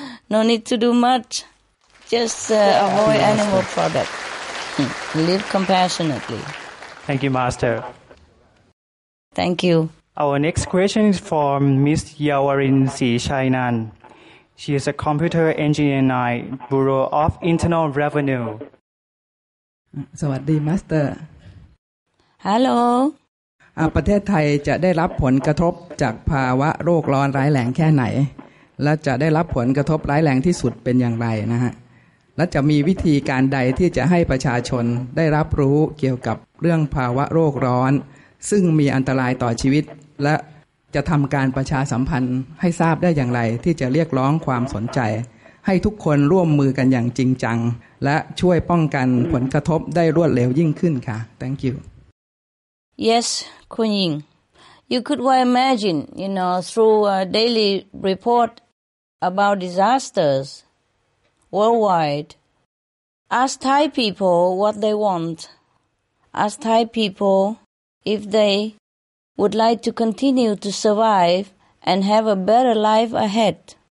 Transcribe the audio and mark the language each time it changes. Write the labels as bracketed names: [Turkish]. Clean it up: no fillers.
[English] No need to do much. Just avoid animal product. Live compassionately. Thank you, Master. Thank you. Our next question is from Ms. Yawarin C. Shainan. She is a computer engineer in the Bureau of Internal Revenue. [Thai] สวัสดี Master. [English] Hello. [Thai] ประเทศไทยจะได้รับผลกระทบจากภาวะโรคร้อนร้ายแรงแค่ไหนและจะได้รับผลกระทบร้ายแรงที่สุดเป็นอย่างไรนะฮะและจะมีวิธีการใดที่จะให้ประชาชนได้รับรู้เกี่ยวกับเรื่องภาวะโรคร้อนซึ่งมีอันตรายต่อชีวิตและจะทำการประชาสัมพันธ์ให้ทราบได้อย่างไรที่จะเรียกร้องความสนใจให้ทุกคนร่วมมือกันอย่างจริงจังและช่วยป้องกันผลกระทบได้รวดเร็วยิ่งขึ้นค่ะ [English] Thank you Yes, Kun Ying. You could well imagine, you know, through a daily report about disasters worldwide, ask Thai people what they want. Ask Thai people if they would like to continue to survive and have a better life ahead.